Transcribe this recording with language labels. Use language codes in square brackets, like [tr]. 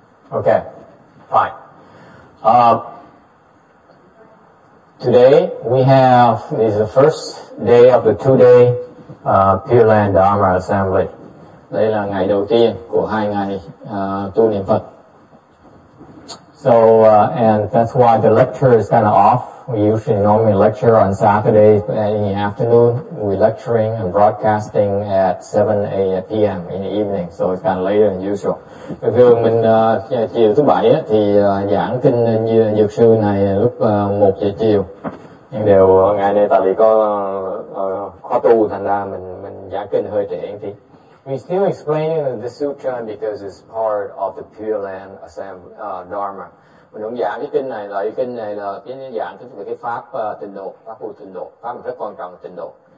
[en] Okay, fine. Today we have, this is the first day of the 2-day Pure Land Dharma Assembly. [vi] Đây là ngày đầu tiên của hai ngày tu niệm Phật. [en] So, and that's why the lecture is kind of off. We usually normally lecture on Saturday in the afternoon. We're lecturing and broadcasting at 7 p.m. in the evening, so it's kind of later than usual. [vi] Bình thường mình chiều thứ bảy thì giảng kinh dược sư này lúc 1 giờ chiều. Nhưng đều ngày nay tại vì có khóa tu thành ra mình giảng kinh hơi trễ thì. [en] We're still explaining the sutra because it's part of the Pure Land Assembly Dharma. [vi] Mình cũng giảng cái kinh này là cái kinh này là cái giảng cái pháp tịnh độ, pháp vô tịnh độ, pháp rất quan trọng tịnh độ.